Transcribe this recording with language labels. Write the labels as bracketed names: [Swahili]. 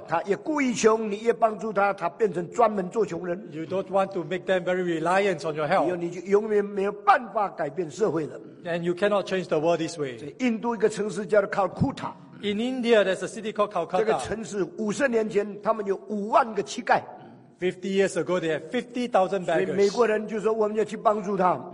[Chinese] 他越故意穷，你越帮助他，他变成专门做穷人。 [English] You don't want to make them very reliant on your help。 [Chinese] 你就永远没有办法改变社会了。 [English] And you cannot change the world this way。 [Chinese] 印度一个城市叫做 Calcutta。 [English] In India, there's a city called Calcutta。 [Chinese] 这个城市50年前，他们有50,000个乞丐。 [English] 50 years ago, they had 50,000 beggars。 [Chinese] 所以美国人就说我们要去帮助他。